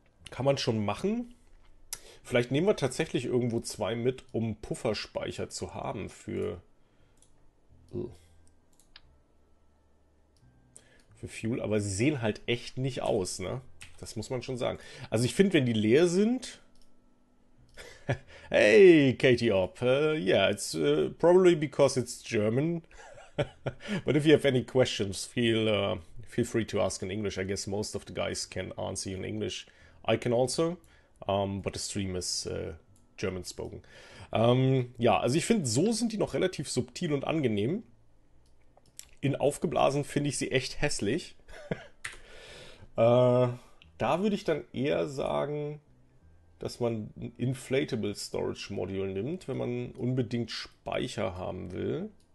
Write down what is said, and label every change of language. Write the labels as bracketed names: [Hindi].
[German] Kann man schon machen? Vielleicht nehmen wir tatsächlich irgendwo zwei mit, um Pufferspeicher zu haben für. Für Fuel, aber sie sehen halt echt nicht aus, ne? Das muss man schon sagen. Also ich finde, wenn die leer sind. [English] Hey, Katie Op. Yeah, it's probably because it's German. But if you have any questions, feel free to ask in English. I guess most of the guys can answer you in English. I can also. But the stream is German spoken. [German] Ja, also ich finde, so sind die noch relativ subtil und angenehm. In aufgeblasen finde ich sie echt hässlich. Da würde ich dann eher sagen, dass man ein Inflatable Storage Module nimmt, wenn man unbedingt Speicher haben will.